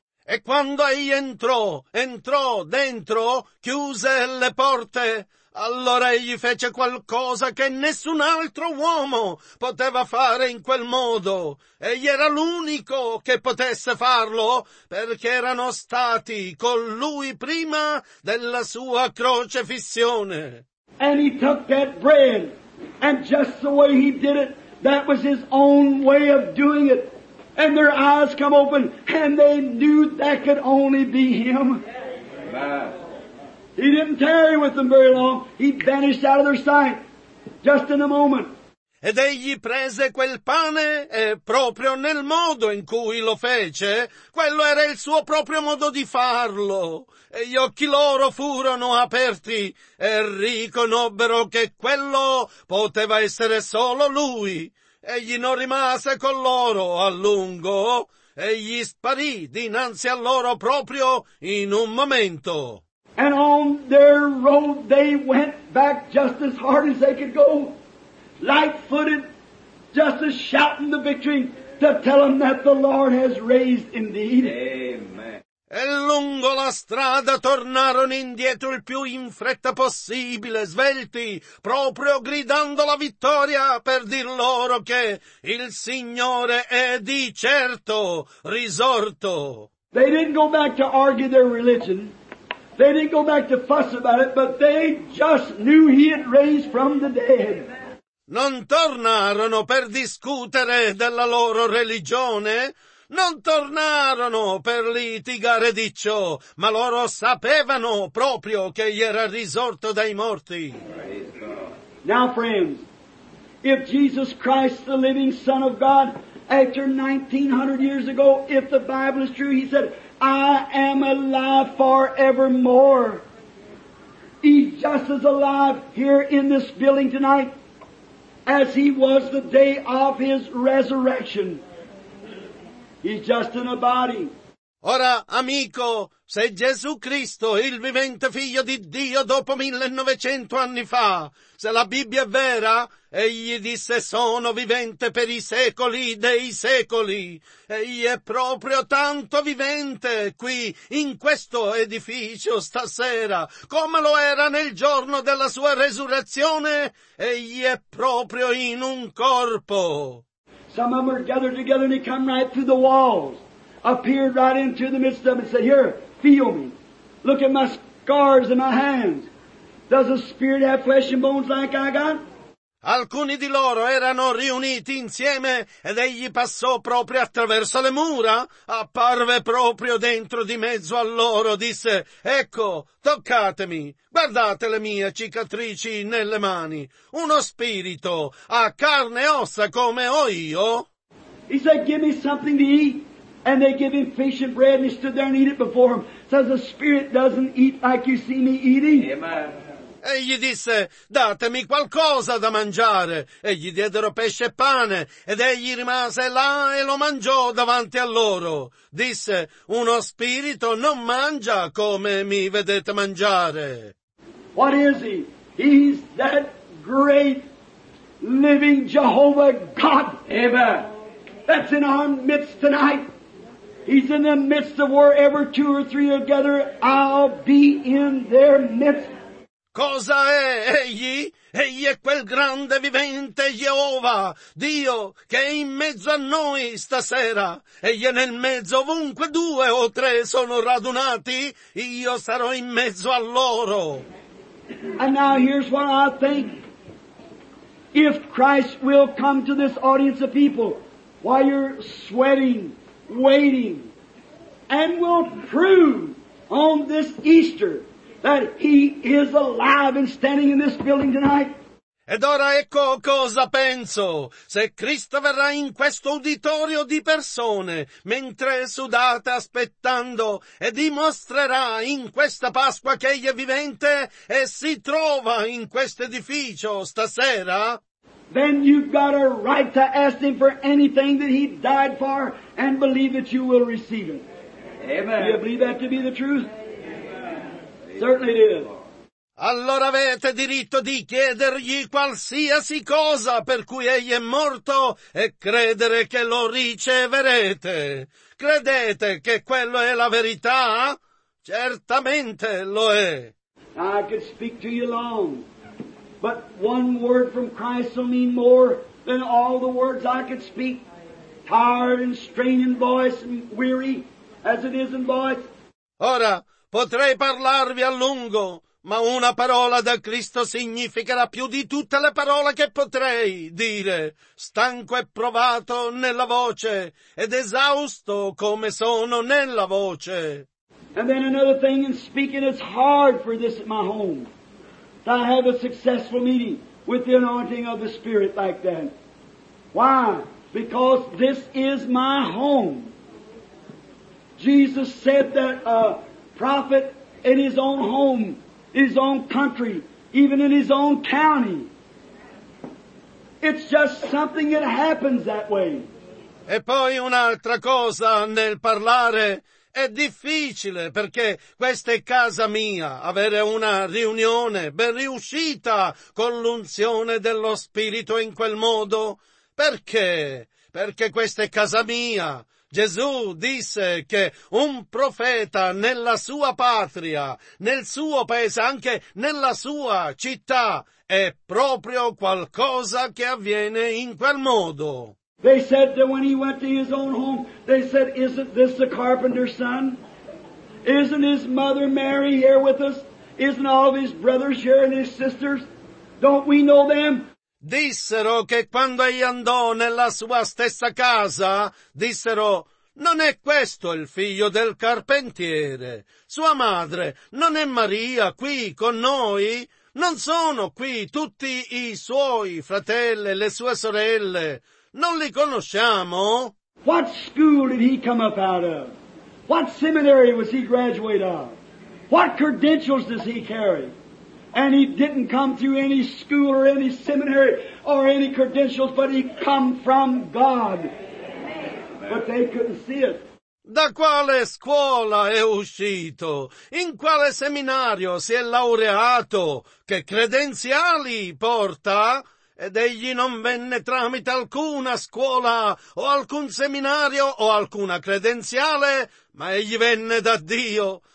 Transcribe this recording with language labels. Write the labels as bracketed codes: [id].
[it] E quando egli entrò dentro, chiuse le porte, allora egli fece qualcosa che nessun altro uomo poteva fare in quel modo. Egli era l'unico che potesse farlo, perché erano stati con lui prima della sua crocefissione. [en] And he took that bread, and just the way he did it, that was his own way of doing it. And their eyes come open, and they knew that could only be him. He didn't tarry with them very long. He vanished out of their sight, just in a moment. [it] Ed egli prese quel pane, e proprio nel modo in cui lo fece, quello era il suo proprio modo di farlo. E gli occhi loro furono aperti, e riconobbero che quello poteva essere solo lui. Egli non rimase con loro a lungo, egli sparì dinanzi a loro proprio in un momento. [en] And on their road they went back just as hard as they could go, light-footed, just as shouting the victory to tell them that the Lord has raised indeed. Amen. [it] E lungo la strada tornarono indietro il più in fretta possibile, svelti, proprio gridando la vittoria per dir loro che il Signore è di certo risorto. [en] They didn't go back to argue their religion. They didn't go back to fuss about it, but they just knew he had raised from the dead. [it] Non tornarono per discutere della loro religione, non tornarono per litigare di ciò, ma loro sapevano proprio che egli era risorto dai morti. [en] Now friends, if Jesus Christ, the living Son of God, after 1900 years ago, if the Bible is true, he said, I am alive forevermore. He's just as alive here in this building tonight as he was the day of his resurrection. He's just in a body. [it] Ora, amico, se Gesù Cristo, il vivente figlio di Dio dopo 1900 anni fa, se la Bibbia è vera, egli disse sono vivente per i secoli dei secoli. Egli è proprio tanto vivente qui, in questo edificio stasera, come lo era nel giorno della sua resurrezione, egli è proprio in un corpo. [en] Some of them are gathered together and they come right through the walls. Appeared right into the midst of them and said, here, feel me. Look at my scars and my hands. Does a spirit have flesh and bones like I got? [it] Alcuni di loro erano riuniti insieme ed egli passò proprio attraverso le mura, apparve proprio dentro di mezzo a loro, disse, ecco, toccatemi, guardate le mie cicatrici nelle mani. Uno spirito ha carne e ossa come ho io. [en] He said, give me something to eat. And they give him fish and bread, and he stood there and eat it before him. Says, the spirit doesn't eat like you see me eating. Amen. [it] E gli disse, datemi qualcosa da mangiare. E gli diedero pesce e pane, ed egli rimase là e lo mangiò davanti a loro. Disse, uno spirito non mangia come mi vedete mangiare. [en] What is he? He's that great living Jehovah God. Amen. That's in our midst tonight. He's in the midst of wherever two or three are gathered, I'll be in their midst. [it] Cosa è egli? Egli è quel grande vivente Jehovah, Dio, che è in mezzo a noi stasera. Egli è nel mezzo ovunque due o tre sono radunati, io sarò in mezzo a loro. [en] And now here's what I think. If Christ will come to this audience of people, while you're sweating, waiting, and will prove on this Easter that he is alive and standing in this building tonight. [it] Ed ora ecco cosa penso. Se Cristo verrà in questo uditorio di persone, mentre sudate aspettando, e dimostrerà in questa Pasqua che egli è vivente e si trova in questo edificio stasera, [en] then you've got a right to ask him for anything that he died for and believe that you will receive it. Amen. Do you believe that to be the truth? Amen. Certainly it is. [it] Allora avete diritto di chiedergli qualsiasi cosa per cui egli è morto e credere che lo riceverete. Credete che quello è la verità? Certamente lo è. [en] I could speak to you long. But one word from Christ will mean more than all the words I could speak. Tired and strained in voice and weary as it is in voice. [it] Ora, potrei parlarvi a lungo, ma una parola da Cristo significherà più di tutte le parole che potrei dire. Stanco e provato nella voce ed esausto come sono nella voce. [en] And then another thing in speaking, it's hard for this at my home. To have a successful meeting with the anointing of the Spirit like that. Why? Because this is my home. Jesus said that a prophet in his own home, his own country, even in his own county. It's just something that happens that way. [it] E poi un'altra cosa nel parlare. È difficile perché questa è casa mia, avere una riunione ben riuscita con l'unzione dello Spirito in quel modo. Perché? Perché questa è casa mia. Gesù disse che un profeta nella sua patria, nel suo paese, anche nella sua città, è proprio qualcosa che avviene in quel modo. [en] They said that when he went to his own home, they said, isn't this the carpenter's son? Isn't his mother Mary here with us? Isn't all of his brothers here and his sisters? Don't we know them? [it] Dissero che quando egli andò nella sua stessa casa, dissero, non è questo il figlio del carpentiere? Sua madre, non è Maria qui con noi? Non sono qui tutti i suoi fratelli, le sue sorelle? Non li conosciamo. [en] What school did he come up out of? What seminary was he graduate of? What credentials does he carry? And he didn't come through any school or any seminary or any credentials, but he come from God. But they couldn't see it. [it] Da quale scuola è uscito? In quale seminario si è laureato? Che credenziali porta? Ed egli non venne tramite alcuna scuola o alcun seminario o alcuna credenziale, ma egli venne da Dio.